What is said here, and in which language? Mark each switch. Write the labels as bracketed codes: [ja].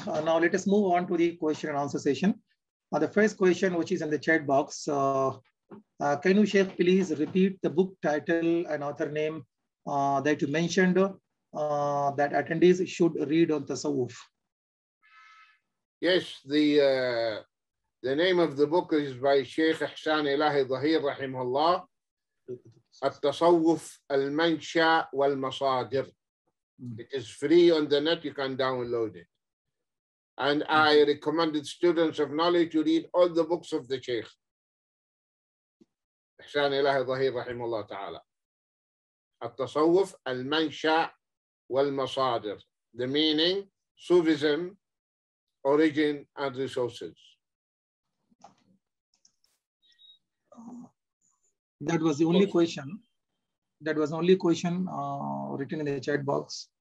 [en] Now, let us move on to the question and answer session. The first question, which is in the chat box, can you, Shaykh, please repeat the book title and author name that you mentioned that attendees should read on Tasawwuf? Yes, the name of the book is by Shaykh Ihsan Ilahi Zahir, rahimahullah. [ar] التصوف المنشأ والمصادر. [en] It is free on the net, you can download it. And I recommend the students of knowledge to read all the books of the Shaykh. [ar] إحسان إله ظهير رحمه الله تعالى. التصوف المنشأ والمصادر. [en] The meaning, Sufism, origin and resources. That was the only question. That was the only question written in the chat box.